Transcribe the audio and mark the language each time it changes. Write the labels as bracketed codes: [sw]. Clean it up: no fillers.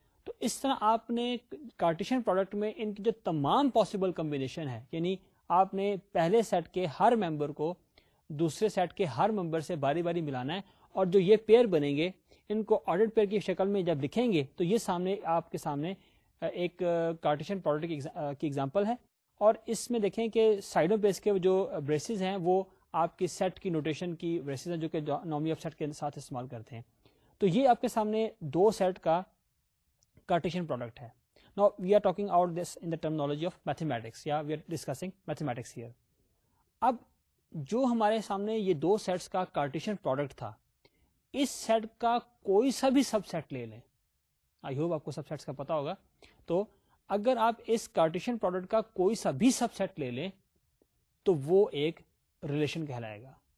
[ur] تو اس طرح آپ نے کارٹیشین پروڈکٹ میں ان کی جو تمام پاسبل کمبینیشن ہے, یعنی آپ نے پہلے سیٹ کے ہر ممبر کو دوسرے سیٹ کے ہر ممبر سے باری باری ملانا ہے, اور جو یہ پیئر بنیں گے ان کو آڈٹ پیئر کی شکل میں جب لکھیں گے تو یہ سامنے آپ کے سامنے ایک کارٹیشین پروڈکٹ کی اگزامپل ہے. اور اس میں دیکھیں کہ سائڈوں پہ اس کے جو بریسز ہیں وہ آپ کی سیٹ کی نوٹیشن کی بریسز ہیں جو کہ نارملی آپ سیٹ کے ساتھ استعمال کرتے ہیں. تو یہ آپ کے سامنے دو سیٹ کا کارٹیشین پروڈکٹ ہے. [en] Now we are talking about this in the terminology of mathematics. Yeah, we are discussing mathematics here. [ur] اب جو ہمارے سامنے یہ دو سیٹس کا کارٹیشین پروڈکٹ تھا, اس سیٹ کا کوئی سا بھی سب سیٹ لے لیں, آئی ہوپ آپ کو سب سیٹس کا پتا ہوگا. تو اگر آپ اس کارٹیشین پروڈکٹ کا کوئی سا بھی سب سیٹ لے لیں تو وہ ایک ریلیشن کہلائے گا.